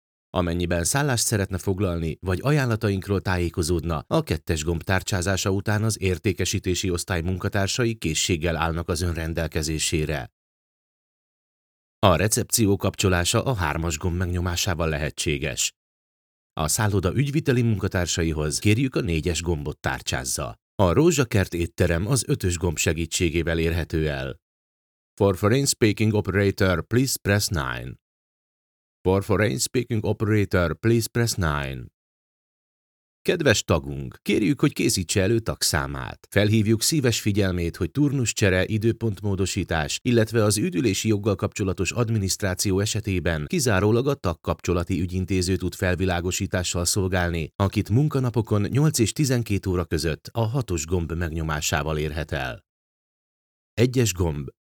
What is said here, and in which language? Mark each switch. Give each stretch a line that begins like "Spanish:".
Hungarian: Amennyiben szállást szeretne foglalni, vagy ajánlatainkról tájékozódna, a 2-es gomb tárcsázása után az értékesítési osztály munkatársai készséggel állnak az ön rendelkezésére. A recepció kapcsolása a 3-as gomb megnyomásával lehetséges. A szálloda ügyviteli munkatársaihoz kérjük a 4-es gombot tárcsázza. A Rózsakert étterem az 5-ös gomb segítségével érhető el.
English: For foreign speaking operator, please press 9. For foreign speaking operator, please press 9.
Hungarian: Kedves tagunk, kérjük, hogy készítse elő tagszámát. Felhívjuk szíves figyelmét, hogy turnuszcsere, időpontmódosítás, illetve az üdülési joggal kapcsolatos adminisztráció esetében kizárólag a tagkapcsolati ügyintéző tud felvilágosítással szolgálni, akit munkanapokon 8 és 12 óra között a 6-os gomb megnyomásával érhet el. 1-es gomb.